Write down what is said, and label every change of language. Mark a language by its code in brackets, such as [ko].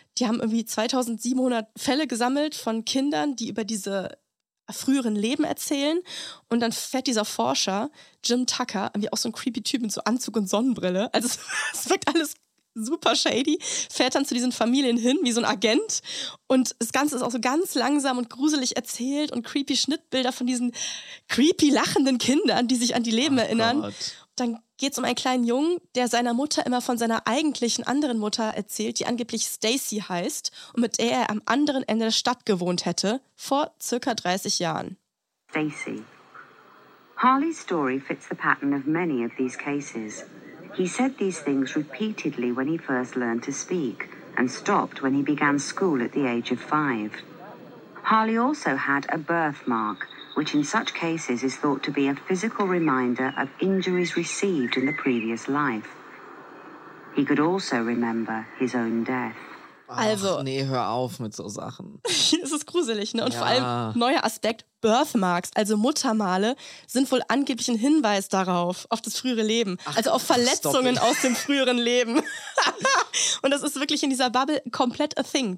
[de] Die haben irgendwie 2700 Fälle gesammelt von Kindern, die über diese früheren Leben erzählen und dann fährt dieser Forscher, Jim Tucker, irgendwie auch so ein creepy Typ mit so Anzug und Sonnenbrille, also es wirkt alles super shady, fährt dann zu diesen Familien hin wie so ein Agent und das Ganze ist auch so ganz langsam und gruselig erzählt und creepy Schnittbilder von diesen creepy lachenden Kindern, die sich an die Leben erinnern. Gott. Dann geht es um einen kleinen Jungen, der seiner Mutter immer von seiner eigentlichen anderen Mutter erzählt, die angeblich Stacy heißt und mit der er am anderen Ende der Stadt gewohnt hätte, vor circa 30 Jahren. Stacy. [en] Harley's story fits the pattern of many of these cases. He said these things repeatedly when he first learned to speak and stopped when he began school at the age of 5. Harley also had a birthmark, which in such cases is thought to be a physical reminder of injuries received in the previous life. He could also remember his own death. [de] Also, ach nee, hör auf mit so Sachen. Es ist gruselig, ne? Und ja, vor allem, neuer Aspekt, Birthmarks, also Muttermale, sind wohl angeblich ein Hinweis darauf, auf das frühere Leben. Ach, also auf Verletzungen aus dem früheren Leben. Und das ist wirklich in dieser Bubble komplett [en] a thing.